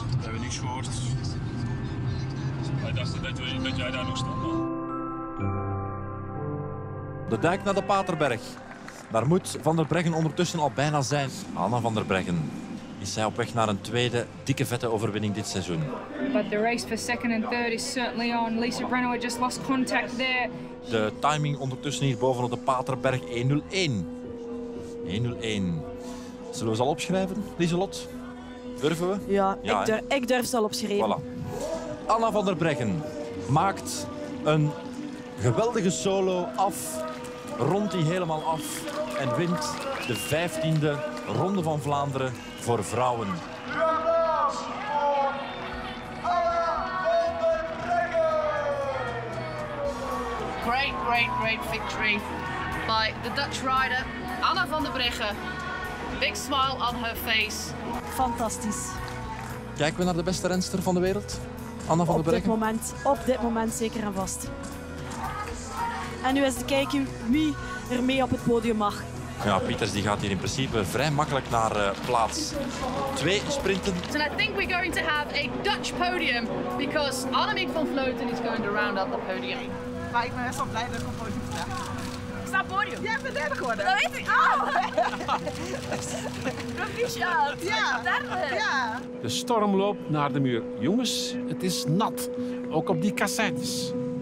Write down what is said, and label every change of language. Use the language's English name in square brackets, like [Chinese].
[Dutch] We hebben niks gehoord. Wij dachten dat jij daar nog stond. De dijk naar de Paterberg. Daar moet Van der Breggen ondertussen al bijna zijn. Anna Van der Breggen, is zij op weg naar een tweede dikke vette overwinning dit seizoen? [English] But the race for second and third is certainly on. Lisa Brenner just lost contact there. [Dutch] De timing ondertussen hier boven op de Paterberg 1-0-1. Zullen we ze al opschrijven, Lieselot? Durven we? Ja, ja, ik durf ze al opschrijven. Voilà. Anna Van der Breggen maakt een geweldige solo af. Rond die helemaal af en wint de 15e Ronde van Vlaanderen voor vrouwen. Uw applaus voor Anna Van der Breggen. [English] Great, great, great victory by the Dutch rider Anna Van der Breggen. Big smile on her face. [Dutch] Fantastisch. Kijken we naar de beste renster van de wereld, Anna Van der Breggen? Op dit moment zeker en vast. En nu eens te kijken wie er mee op het podium mag. Ja, Pieters die gaat hier in principe vrij makkelijk naar plaats 2 sprinten. [English] So I think we're going to have a Dutch podium because Annemiek van Vleuten is going to round up the podium. [Dutch] Maar ik ben best wel blij dat ik op podium sta. Ik sta op podium. Jij bent derde geworden. Dat weet ik. Proficiat. Ja. Derde. Ja. De storm loopt naar de muur. Jongens, het is nat. Ook op die cassettes.